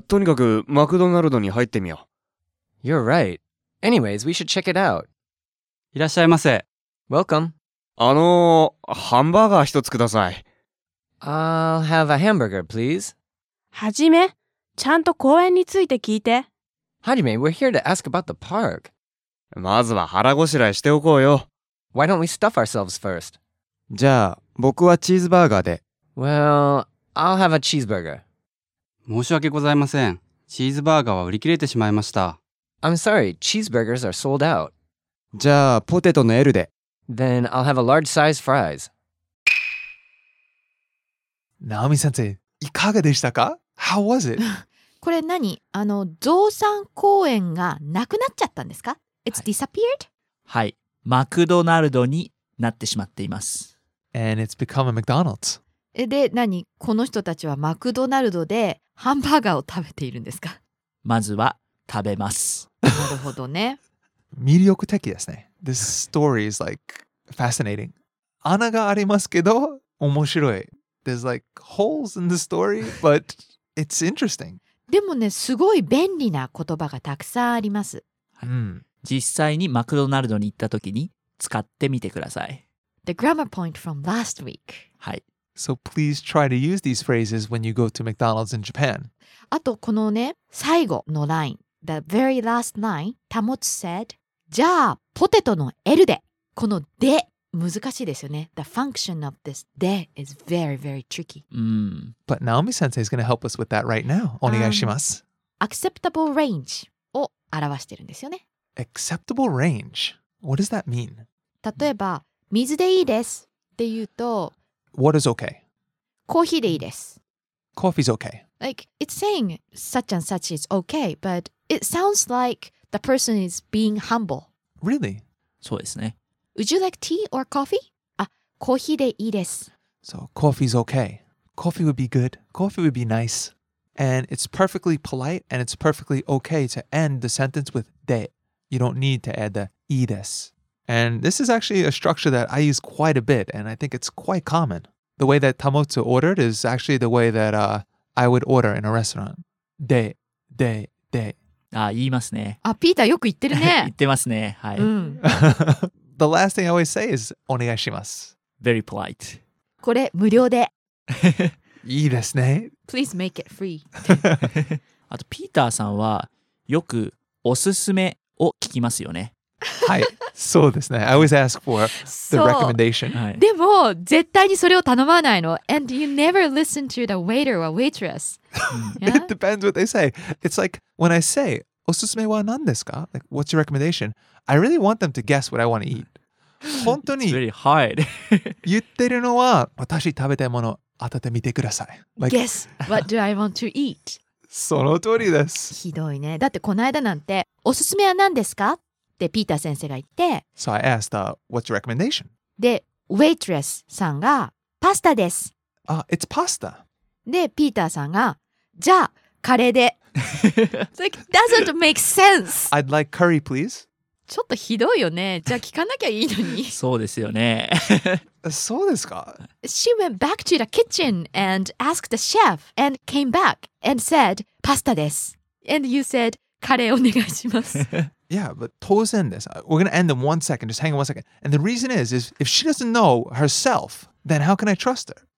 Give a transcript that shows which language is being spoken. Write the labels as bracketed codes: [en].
[ja] とにかくマクドナルドに入ってみよう。 [en] You're right. Anyways, we should check it out. [ja] いらっしゃいませ。 [en] Welcome. [ja] ハンバーガー一つください。 [en] I'll have a hamburger, please. [ja] はじめ、ちゃんと公園について聞いて。 [en] はじめ、we're here to ask about the park. [ja] まずは腹ごしらえしておこうよ。 [en] Why don't we stuff ourselves first? [ja] じゃあ、僕はチーズバーガーで。 [en] Well, I'll have a cheeseburger. [ja] 申し訳ございません。チーズバーガーは売り切れてしまいました。 [en] I'm sorry, cheeseburgers are sold out. [ja] じゃあ、ポテトの L で。 [en] Then I'll have a large size fries. [ja] Naomi 先生、いかがでしたか? [en] How was it? [ja] これ何? ゾウさん公園がなくなっちゃったんですか? [en] It's disappeared? [ja] はい。マクドナルドになってしまっています。 [en] And it's become a McDonald's. [ja] で、何? この人たちはマクドナルドでハンバーガーを食べているんですか? まずは食べます。なるほどね。魅力的ですね。 [en] This story is like fascinating. [ja] 穴がありますけど面白い。 [en] There's like holes in the story, but it's interesting. [ja] でもね、すごい便利な言葉がたくさんあります。うん。実際にマクドナルドに行った時に使ってみてください。 [en] The grammar point from last week. [ja] はい。 [en] So please try to use these phrases when you go to McDonald's in Japan. [ja] あとこのね、最後のライン。 [en] the very last line, Tamotsu said, [ja] じゃあ、ポテトの L で。こので、難しいですよね。 [en] The function of this で is very, very tricky.、 Mm. But Naomi Sensei is going to help us with that right now. [ja] お願いします。 Acceptable range を表してるんですよね。 [en] Acceptable range? What does that mean? [ja] 例えば、水でいいですって言うと、 [en] What is okay? [ja] コーヒーでいいです。 [en] Coffee's okay. Like, it's saying such and such is okay, but it sounds like the person is being humble. Really? [ja] そうですね。 [en] Would you like tea or coffee? [ja] あ、コーヒーでいいです。 [en] So, coffee's okay. Coffee would be good. Coffee would be nice. And it's perfectly polite and it's perfectly okay to end the sentence with で。 You don't need to add the いいです。And this is actually a structure that I use quite a bit, and I think it's quite common. The way that Tamotsu ordered is actually the way that、I would order in a restaurant. [ja] で、で、で。あ、言いますね。あ、ピーターよく言ってるね。言ってますね。はい。うん、 [en] The last thing I always say is [ja] お願いします。 [en] Very polite. [ja] これ無料で。いいですね。 [en] Please make it free. [ja] あと、ピーターさんはよくおすすめを聞きますよね。はい、そうですね。 [en] I always ask for the recommendation. [ja] でも、絶対にそれを頼まないの。 [en] And you never listen to the waiter or waitress. Yeah? It depends what they say. It's like, when I say, [ja] おすすめは何ですか? [en] Like, what's your recommendation? I really want them to guess what I want to eat. [ja] 本当に [en] It's really hard. [ja] 言ってるのは、私食べたいもの当ててみてください。 [en] Like, guess what do I want to eat? [ja] その通りです。ひどいね。だってこの間なんて、おすすめは何ですか?でピーター先生が言って、 [en] So I asked, what's your recommendation? [ja] で、waitress さんが、パスタです。 [en] あ、it's pasta. [ja] で、ピーターさんが、じゃあ、カレーで。 [en] It's like, doesn't make sense. I'd like curry, please. [ja] ちょっとひどいよね。じゃあ聞かなきゃいいのに。そうですよね。そうですか? [en] She went back to the kitchen and asked the chef and came back and said, pasta です。 And you said, [ja] カレーお願いします。 [en] Yeah, but [ja] 当然です。 [en] We're going to end in one second. Just hang on one second. And the reason is if she doesn't know herself, then how can I trust her?